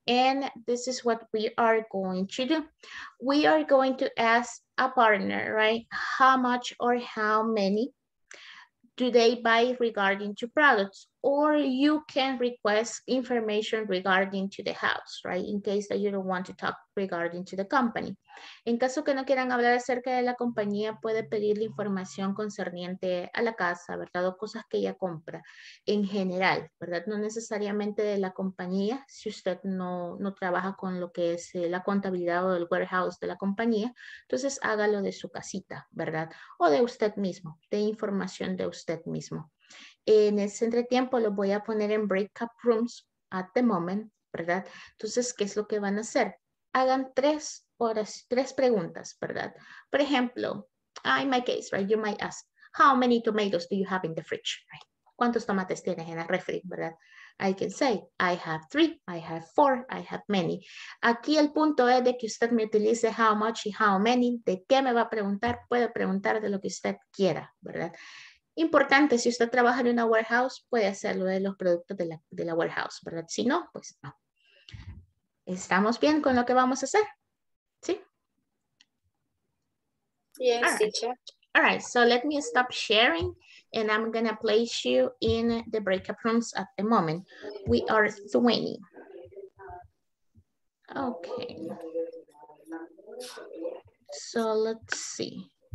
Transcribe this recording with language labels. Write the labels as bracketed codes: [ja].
[en] And this is what we are going to do. We are going to ask a partner, right? How much or how many do they buy regarding to products? Or you can request information regarding to the house, right? In case that you don't want to talk regarding to the company. [es] En caso que no quieran hablar acerca de la compañía, puede pedir la información concerniente a la casa, ¿verdad? O cosas que ella compra en general, ¿verdad? No necesariamente de la compañía, si usted no trabaja con lo que es la contabilidad o el warehouse de la compañía, entonces hágalo de su casita, ¿verdad? O de usted mismo, de información de usted mismo. En ese entretiempo los voy a poner en [en] breakout rooms at the moment, [es] ¿verdad? Entonces, ¿qué es lo que van a hacer? Hagan tres preguntas, ¿verdad? Por ejemplo, [en] in my case, right, you might ask, how many tomatoes do you have in the fridge? Right? [es] ¿Cuántos tomates tienes en el refri, verdad? [en] I can say, I have three, I have four, I have many. [es] Aquí el punto es de que usted me utilice how much y how many, ¿de qué me va a preguntar? Puede preguntar de lo que usted quiera, ¿verdad? Importante, si usted trabaja en una warehouse, puede hacerlo de los productos de la warehouse, ¿verdad? Si no, pues no. ¿Estamos bien con lo que vamos a hacer? ¿Sí? [en] Yes, all right. Teacher. All right, so let me stop sharing and I'm going to place you in the breakout rooms at the moment. We are 20. Okay. So let's see.